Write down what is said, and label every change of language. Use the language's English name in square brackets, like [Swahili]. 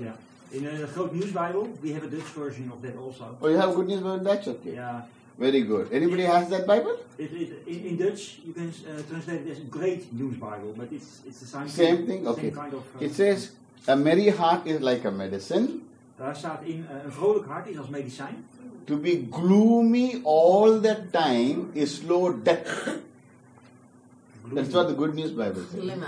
[English] Yeah. In the Groot Nieuws Bijbel, we have a Dutch version of that also. Oh, you have Good News Bible in Dutch? Okay. Yeah. Very good. Anybody has that Bible? In Dutch, you can translate it as Great News Bible, but it's the same thing. Same thing? Okay. Same kind of, it says, a merry heart is like a medicine. [Dutch] Daar staat in, een vrolijk hart is als medicijn. [English] To be gloomy all the time is slow death. That's what the Good News Bible says.